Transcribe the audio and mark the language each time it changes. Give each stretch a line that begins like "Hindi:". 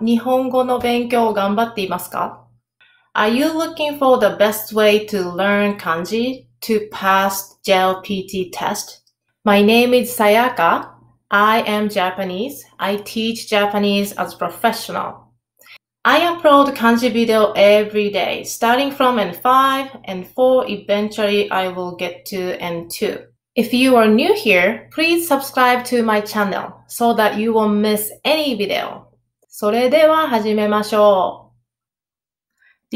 Japanese: 日本語の勉強を頑張っていますか?
English: Are you looking for the best way to learn kanji to pass JLPT test? My name is Sayaka. I am Japanese. I teach Japanese as a professional. I upload kanji video every day, starting from N5, N4, eventually I will get to N2. If you are new here, please subscribe to my channel so that you won't miss any video.
Japanese: それでは始めましょう。